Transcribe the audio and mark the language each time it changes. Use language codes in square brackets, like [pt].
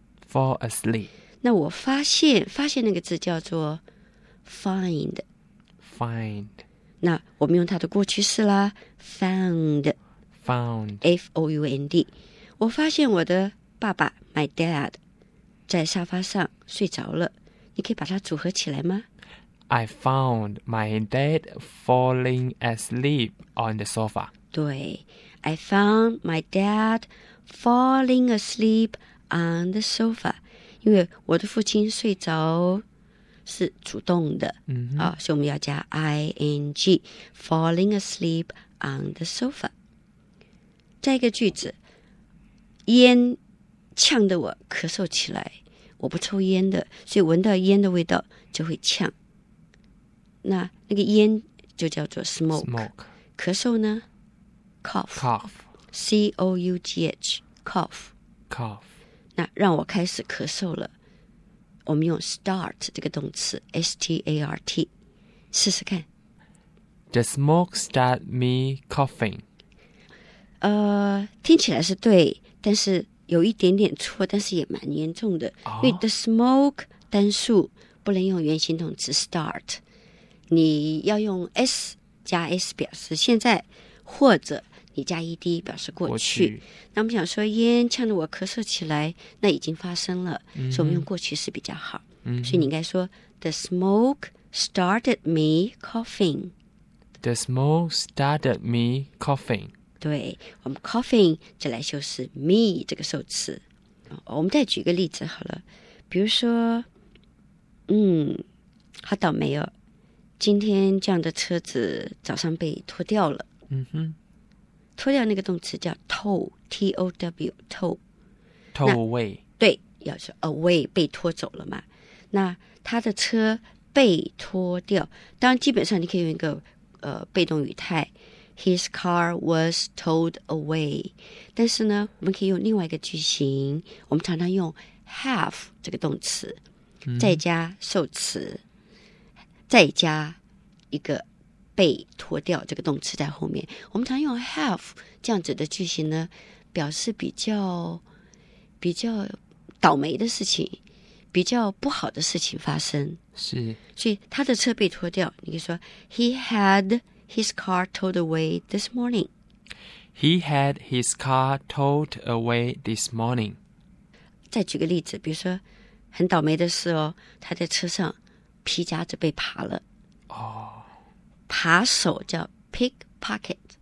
[en] fall asleep [zh] 那我发现那个字叫做 find那我们用它的过去式啦 found F-O-U-N-D 我发现我的爸爸 [en] my dad [zh] 在沙发上睡着了你可以把它组合起来吗 [en] I found my dad falling asleep on the sofa [zh] 对 [en] I found my dad falling asleep on the sofa [zh] 因为我的父亲睡着是主动的、 mm-hmm. 啊、所以我们要加 ing [en] falling asleep on the sofa [zh] 再一个句子烟呛得我咳嗽起来我不抽烟的所以闻到烟的味道就会呛那那个烟就叫做 smoke 咳嗽呢 cough C-O-U-G-H cough 那让我开始咳嗽了我们用 start 这个动词 S-T-A-R-T 试试看 [en] The smoke start me coughing [zh] 听起来是对但是有一点点错但是也蛮严重的、 oh. 因为 [en] the smoke [zh] 单数不能用原形动词 start 你要用 s 加 s 表示现在或者你加 ed 表示过去那我们想说烟呛着我咳嗽起来那已经发生了、 mm-hmm. 所以我们用过去式比较好、 mm-hmm. 所以你应该说 [en] the smoke started me coughing the smoke started me coughing [zh] 对我们 coughing 再来就是 me 这个受词、哦、我们再举个例子好了比如说嗯好倒霉哦今天这样的车子早上被拖掉了嗯哼拖掉那个动词叫 tow T-O-W tow [en] tow away [zh] 对要是 away 被拖走了嘛那他的车被拖掉当然基本上你可以用一个被动语态 [en] His car was towed away. [zh] 但是呢我们可以用另外一个句型我们常常用 have 这个动词、 mm-hmm. 再加受词再加一个被拖掉这个动词在后面。我们常用 have 这样子的句型呢表示比较倒霉的事情比较不好的事情发生。是。所以他的车被拖掉你可以说 [en] He had... His car towed away this morning. He had his car towed away this morning. [zh] 再举个例子，比如说，很倒霉的事哦，他在车上皮夹子被扒了。哦、oh. ，扒手叫 pickpocket,、